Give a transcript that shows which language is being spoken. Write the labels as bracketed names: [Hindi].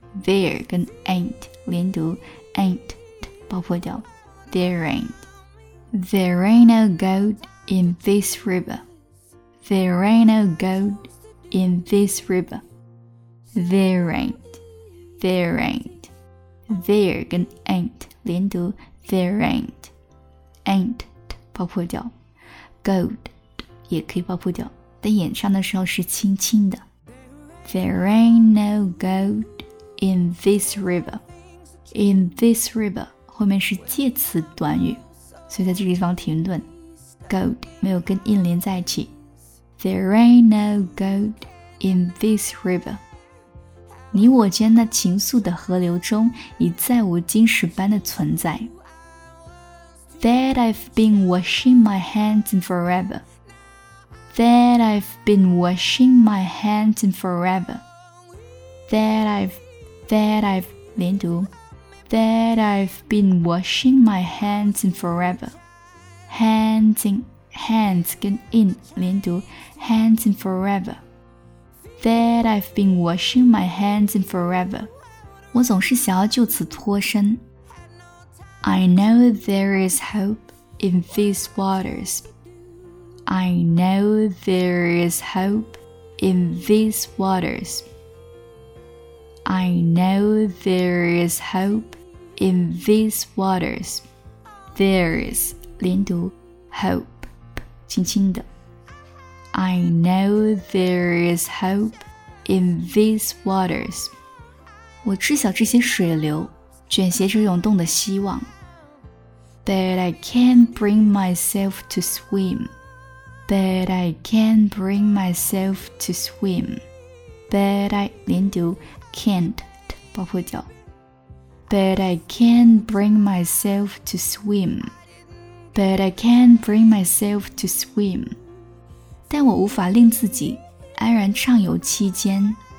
[English] There 跟 ain't 连读 ，ain't 爆破掉。 There ain't. There ain't no gold in this river. There ain't no gold in this river. There ain't. There ain't. [Chinese] There 跟 ain't 连读。 [English] There ain't, ain't [Chinese] 爆破掉 ，gold 也可以爆破掉，但演唱的时候是轻轻的。 [English] There ain't no gold in this river. In this river [Chinese] 后面是介词短语，所以在这个地方停顿 ，gold 没有跟 in 连在一起。 [English] There ain't no gold in this river. [Chinese] 你我间那情愫的河流中，已再无金石般的存在。 [English] That I've been washing my hands in forever. That I've been washing my hands in forever. That I've 连读 That I've been washing my hands in forever. Hands in hands 跟 in 连读 hands in forever. That I've been washing my hands in forever. [Chinese] 我总是想要就此脱身。 [English] I know there is hope in these waters. I know there is hope in these waters. I know there is hope in these waters. There is 连读 hope [Chinese] 轻轻的 [English] I know there is hope in these waters. [Chinese] 我知晓这些水流卷携着涌动的希望。 [English] That I can't bring myself to swim. That I can't bring myself to swim. That I 连读 can't 爆破掉。 That I can't bring myself to swim. That I can't bring myself to swim. [Chinese] 但我无法令自己安然畅游其间。